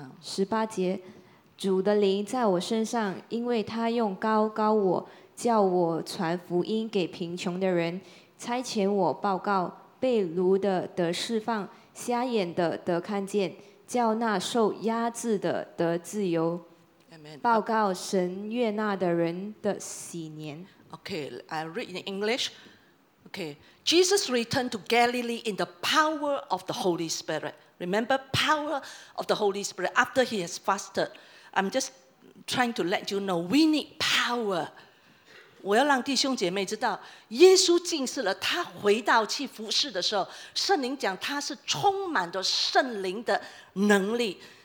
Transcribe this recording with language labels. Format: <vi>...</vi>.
<zh>十八节，主的灵在我身上，因为他用膏膏我，叫我传福音给贫穷的人，差遣我报告被掳的得释放，瞎眼的得看见，叫那受压制的得自由。</zh> <en>Amen.</en> <zh>报告神悦纳的人的喜年。</zh> <en>Okay, I read in English. Okay. Jesus returned to Galilee in the power of the Holy Spirit. Remember, power of the Holy Spirit after he has fasted. I'm just trying to let you know, we need power.</en> <zh>我要让弟兄姐妹知道，耶稣进士了，他回到去服事的时候，圣灵讲他是充满着圣灵的能力。</zh>